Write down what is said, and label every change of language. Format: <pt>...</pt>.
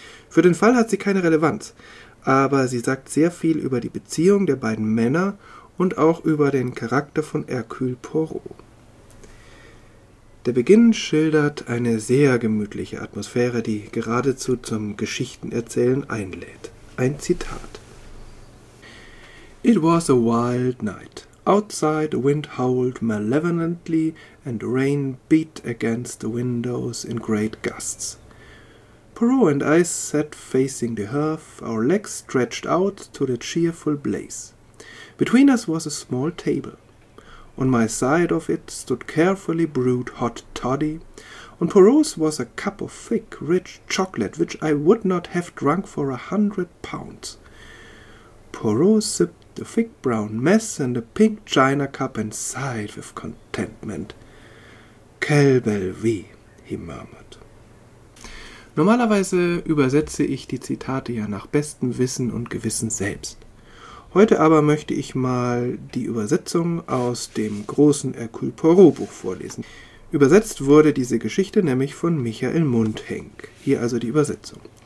<de>Für den Fall hat sie keine Relevanz, aber sie sagt sehr viel über die Beziehung der beiden Männer und auch über den Charakter von Hercule Poirot. Der Beginn schildert eine sehr gemütliche Atmosphäre, die geradezu zum Geschichtenerzählen einlädt. Ein Zitat.</de> <en>It was a wild night. Outside, the wind howled malevolently and rain beat against the windows in great gusts. Poirot and I sat facing the hearth, our legs stretched out to the cheerful blaze. Between us was a small table. On my side of it stood carefully brewed hot toddy. On Poirot's was a cup of thick, rich chocolate, which I would not have drunk for 100 pounds. Poirot sipped a thick brown mess and a pink china cup and sighed with contentment.</en> <fr>Quelle belle vie,</fr> <en>he murmured.</en> <de>Normalerweise übersetze ich die Zitate ja nach bestem Wissen und Gewissen selbst. Heute aber möchte ich mal die Übersetzung aus dem großen Hercule Poirot Buch vorlesen. Übersetzt wurde diese Geschichte nämlich von Michael Mundhenk. Hier also die Übersetzung.</de>